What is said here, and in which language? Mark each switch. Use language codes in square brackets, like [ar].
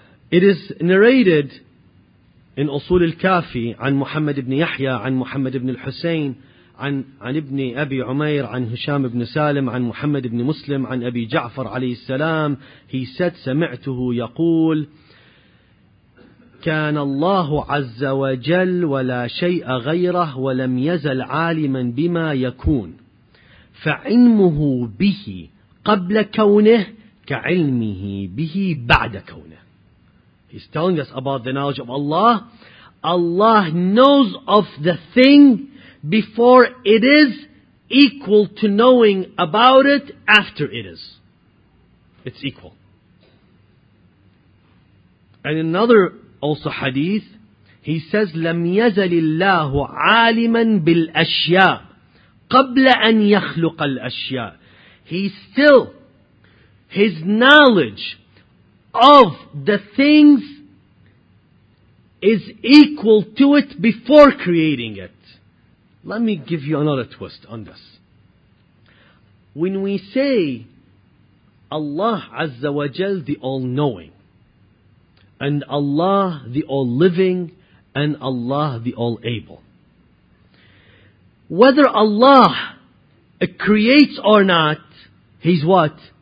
[en] It is narrated in Usul al-Kafi, [ar] عن محمد بن يحيى, عن محمد بن الحسين, عن ابن أبي عمير, عن هشام بن سالم, عن محمد بن مسلم, عن أبي جعفر عليه السلام, [en] he said, [ar] سمعته يقول, كان الله عز وجل ولا شيء غيره ولم يزل عالما بما يكون, فعلمه به قبل كونه كعلمه به بعد كونه. [en] He's telling us about the knowledge of Allah. Allah knows of the thing before it is, equal to knowing about it after it is. It's equal. And another also hadith, he says, [ar] لَمْ يَزَلِ اللَّهُ عَالِمًا بِالْأَشْيَاءِ قَبْلَ أَنْ يَخْلُقَ الْأَشْيَاءِ. [en] He still, his knowledge of the things is equal to it before creating it. Let me give you another twist on this. When we say Allah Azza wa Jal, the All-Knowing, and Allah, the All-Living, and Allah, the All-Able, whether Allah creates or not, He's what?